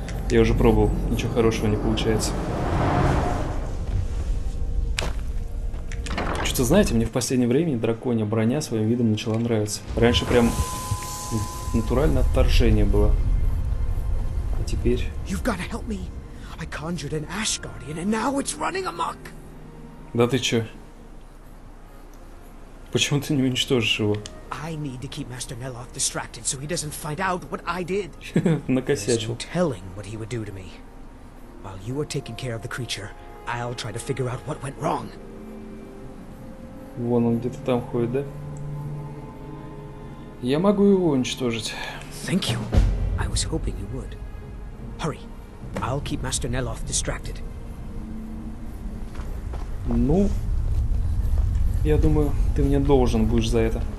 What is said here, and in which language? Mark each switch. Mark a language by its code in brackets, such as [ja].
[ru] Я уже пробовал, ничего хорошего не получается. Что-то знаете, мне в последнее время драконья броня своим видом начала нравиться. Раньше прям натурально отторжение было. А теперь... [en] You've got to help me. I conjured an Ash Guardian, and now it's running amok. [ru] Да ты чё? Почему ты не уничтожишь его? [en] I need to keep Master Neloth distracted, so he doesn't find out what I did. [ru] Накосячил. [en] There's no telling what he would do to me. While you are taking care of the creature, I'll try to figure out what went wrong. [ru] Вон он где-то там ходит, да? Я могу его уничтожить. [en] Thank you. I was hoping you would. Hurry. I'll keep Master Neloth distracted. [ru] Ну, я думаю, ты мне должен будешь за это.